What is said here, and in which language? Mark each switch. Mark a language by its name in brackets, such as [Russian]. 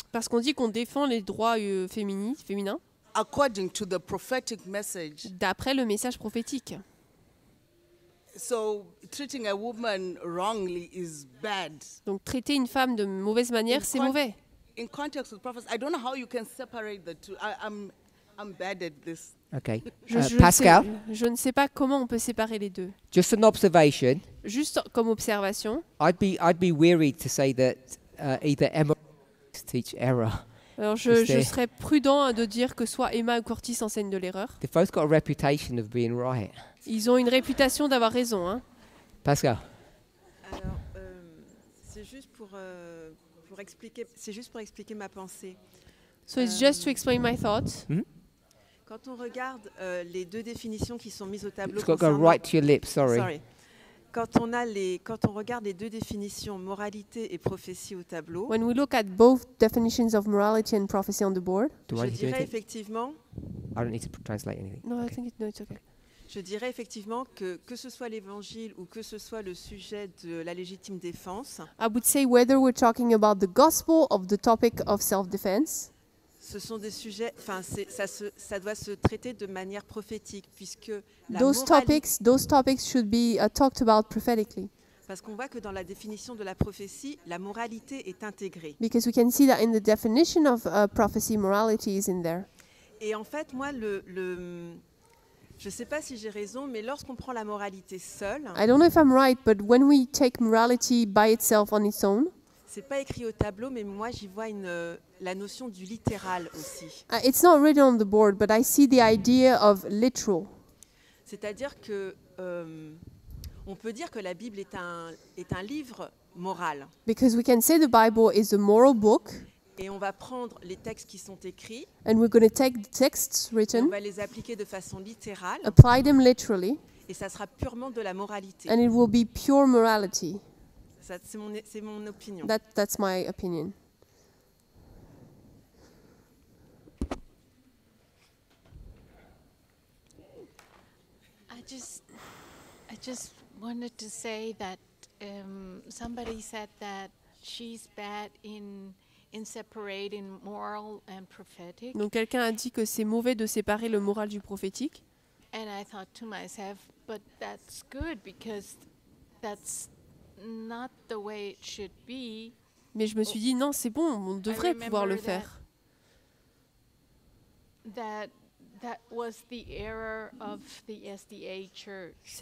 [French] Parce qu'on dit qu'on défend les droits féminins. [English] According to the prophetic message. [French] D'après le message prophétique. [English] So treating a woman wrongly is bad. [French] Donc traiter une femme de mauvaise manière, c'est mauvais. [English] In context with prophecy, I don't know how you can separate the two. I'm bad at this. Okay. Pascal. [French] Je ne sais pas comment on peut séparer les deux. [English] Just an observation. [French] Juste comme observation. [English] I'd be weary to say that either Emma. Teach error. [French] Alors je serais prudent de dire que soit Emma ou Curtis enseignent de l'erreur. [English] They both got a reputation of being right. [French] Ils ont une réputation d'avoir raison, hein. [English] Pascal. [French] Alors c'est juste pour expliquer ma pensée. [English] So it's just to explain my thoughts. Mm-hmm. [French] Quand on regarde les deux définitions qui sont mises au tableau, [English] it's got to go right to your lips, sorry. [French] Quand on regarde les deux définitions moralité et prophétie au tableau, [English] when we look at both definitions of morality and prophecy on the board, [French] je dirais effectivement que ce soit l'évangile ou que ce soit le sujet de la légitime défense, [English] I would say whether we're talking about the gospel or the topic of self-defense, [French] ce sont des sujets, enfin, ça doit se traiter de manière prophétique, puisque [English] those topics should be talked about prophetically. [French] Parce qu'on voit que dans la définition de la prophétie, la moralité est intégrée. [English] Because we can see that in the definition of prophecy, morality is in there. [French] Et en fait, moi, je ne sais pas si j'ai raison, mais lorsqu'on prend la moralité seule, [English] I don't know if I'm right, but when we take morality by itself on its own. [French] C'est pas écrit au tableau, mais moi j'y vois la notion du littéral aussi. [English] It's not written on the board, but I see the idea of literal. [French] C'est-à-dire que on peut dire que la Bible est un livre moral. [English] Because we can say the Bible is a moral book. [French] Et on va prendre les textes qui sont écrits. [English] And we're going to take the texts written. [French] On va les appliquer de façon littérale. [English] Apply them literally. [French] Et ça sera purement de la moralité. [English] And it will be pure morality. [French] C'est mon opinion. [English] That's my opinion. I just wanted to say that somebody said that she's bad in separating moral and prophetic. [French] Donc quelqu'un a dit que c'est mauvais de séparer le moral du prophétique. [English] And I thought to myself, but that's good because that's not the way it should be. [French] Mais je me suis dit non, c'est bon, on devrait pouvoir le faire. [English] That was the error of the SDA church.